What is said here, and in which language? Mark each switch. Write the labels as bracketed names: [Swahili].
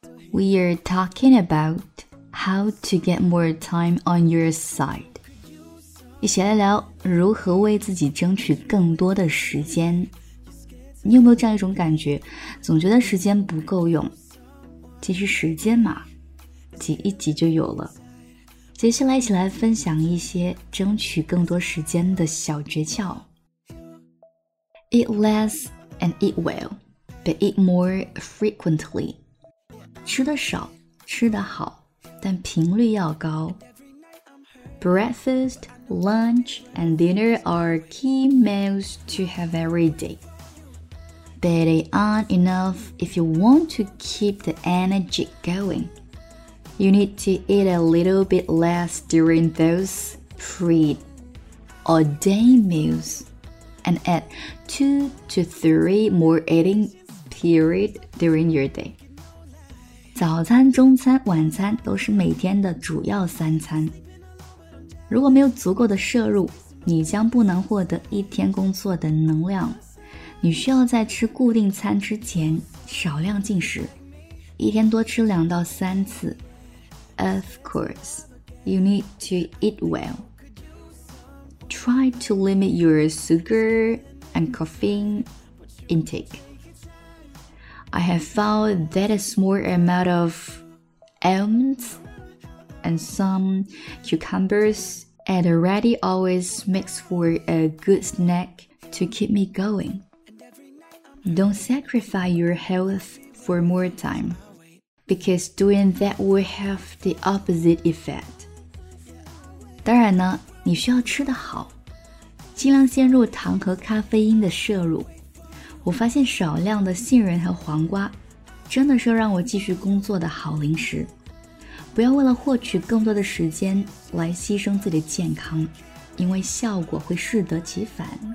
[English] We are talking about how to get more time on your side， [Chinese] 一起来聊如何为自己争取更多的时间。你有没有这样一种感觉，总觉得时间不够用？其实时间嘛，挤一挤就有了。接下来一起来分享一些争取更多时间的小诀窍。 [English] Eat less and eat well, but eat more frequently. [Chinese] 吃得少，吃得好，但频率要高。 [English] Breakfast, lunch, and dinner are key meals to have every day. But they aren't enough if you want to keep the energy going. You need to eat a little bit less during those pre-day meals and add 2 to 3 more eating periods during your day. [Chinese] 早餐、中餐、晚餐都是每天的主要三餐。如果没有足够的摄入，你将不能获得一天工作的能量。你需要在吃固定餐之前少量进食，一天多吃2到3次。 [English] Of course, you need to eat well. Try to limit your sugar and caffeine intake. I have found that a small amount of almonds and some cucumbers at a ready always makes for a good snack to keep me going. Don't sacrifice your health for more time, because doing that will have the opposite effect. [Chinese] 当然呢，你需要吃得好，尽量限入糖和咖啡因的摄入。我发现少量的杏仁和黄瓜真的是让我继续工作的好零食。不要为了获取更多的时间来牺牲自己的健康，因为效果会适得其反。